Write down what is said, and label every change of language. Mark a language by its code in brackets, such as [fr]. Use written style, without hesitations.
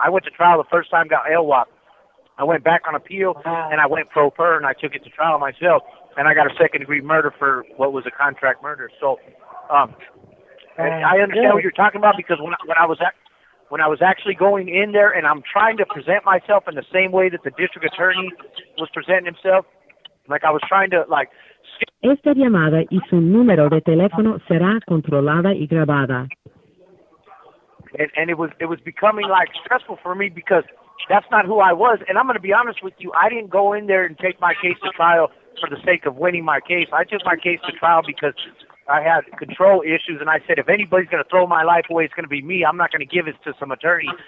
[en] I went to trial the first time, got LWOP. I went back on appeal, and I went pro per, and I took it to trial myself, and I got a second-degree murder for what was a contract murder. So and I understand what you're talking about, because when I was actually going in there and I'm trying to present myself in the same way that the district attorney was presenting himself, like I was trying to, like... [es] Esta llamada y su número de teléfono será controlada y grabada. [en] And it was becoming like stressful for me because that's not who I was. And I'm going to be honest with you. I didn't go in there and take my case to trial for the sake of winning my case. I took my case to trial because I had control issues. And I said, if anybody's going to throw my life away, it's going to be me. I'm not going to give it to some attorney.